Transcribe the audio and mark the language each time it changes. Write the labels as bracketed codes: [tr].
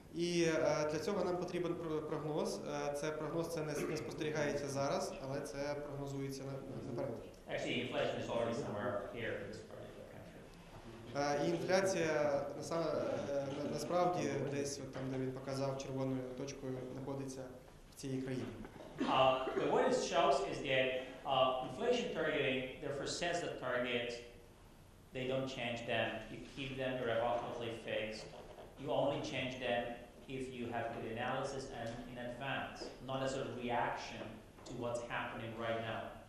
[uk] І для цього нам потрібен прогноз. Це прогноз це не спостерігається зараз, але це прогнозується наперед. [en] Actually, inflation is already somewhere here in this part. [uk] І інфляція насправді десь там, де він показав червоною точкою, знаходиться в цій країні. [en] The what it shows is that inflation targeting therefore sets the targets, they don't change them. You keep them irrevocably fixed. You only change them if you have good analysis and in advance, not as a reaction to what's happening right now.